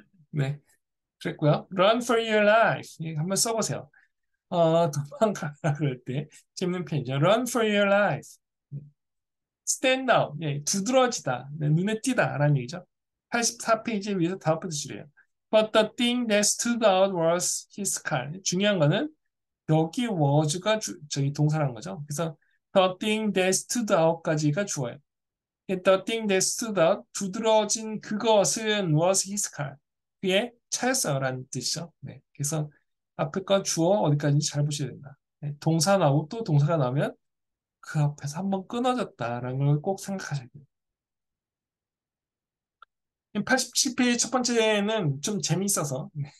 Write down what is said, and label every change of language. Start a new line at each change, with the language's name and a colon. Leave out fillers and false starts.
Korean: 네, 그랬고요.
English: Run for your life.
Korean: 네, 한번 써보세요. 도망가라 그럴 때 재밌는 표현이죠.
English: Run for your life. Stand out.
Korean: 네, 두드러지다. 네, 눈에 띄다라는 얘기죠. 84페이지 위에서 다섯 번째 줄이에요.
English: But the thing that stood out was his car.
Korean: 중요한 거는 여기 was가 저기 동사란 거죠. 그래서
English: the thing that stood out
Korean: 까지가 주어요.
English: The thing that stood out,
Korean: 두드러진 그것은
English: was his car.
Korean: 그의 차였어요라는 뜻이죠. 네. 그래서 앞에 거 주어 어디까지인지 잘 보셔야 된다. 네. 동사 나오고 또 동사가 나오면 그 앞에서 한번 끊어졌다라는 걸꼭 생각하셔야 돼요. 87페이지 첫 번째는 좀 재미있어서.